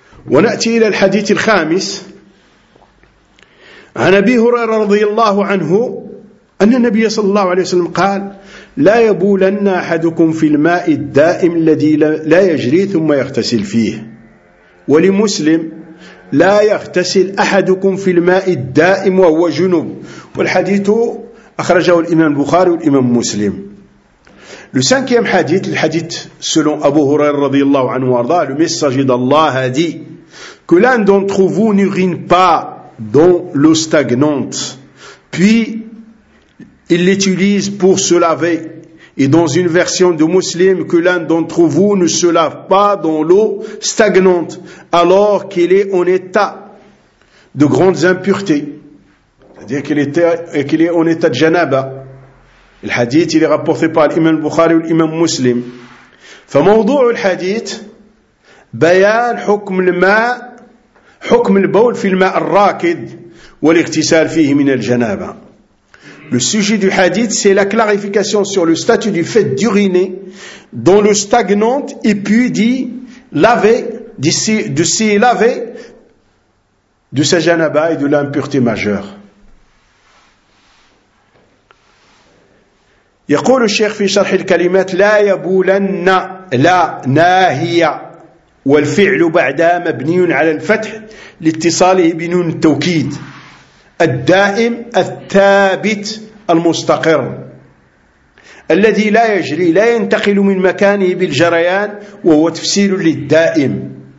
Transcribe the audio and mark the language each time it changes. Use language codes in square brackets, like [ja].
[ar] ونأتي إلى الحديث الخامس عن أبي هريرة رضي الله عنه أن النبي صلى الله عليه وسلم قال لا يبولن أحدكم في الماء الدائم الذي لا يجري ثم يغتسل فيه ولمسلم لا يغتسل أحدكم في الماء الدائم وهو جنب والحديث أخرجه الإمام البخاري والإمام مسلم [fr] Le cinquième hadith, le hadith selon Abu Hurayra radiyallahu anhu warda, le messager d'Allah a dit que l'un d'entre vous n'urine pas dans l'eau stagnante, puis il l'utilise pour se laver. Et dans une version de Muslim, que l'un d'entre vous ne se lave pas dans l'eau stagnante, alors qu'il est en état de grandes impuretés. C'est-à-dire qu'il est en état de janaba. Le hadith, il est rapporté par l'imam Bukhari ou l'imam Muslim. [ar] فموضوع الحديث بيان حكم الماء حكم البول في الماء الراكد والاغتسال فيه من الجنابة. [fr] Le sujet du hadith, c'est la clarification sur le statut du fait d'uriner dans l'eau stagnante et puis d'y laver, de s'y laver de sa janaba et de l'impureté majeure. [ar] يقول الشيخ في شرح الكلمات لا يبولن لا ناهية والفعل بعدها مبني على الفتح لاتصاله بنون التوكيد الدائم الثابت المستقر الذي لا يجري لا ينتقل من مكانه بالجريان وهو تفسير للدائم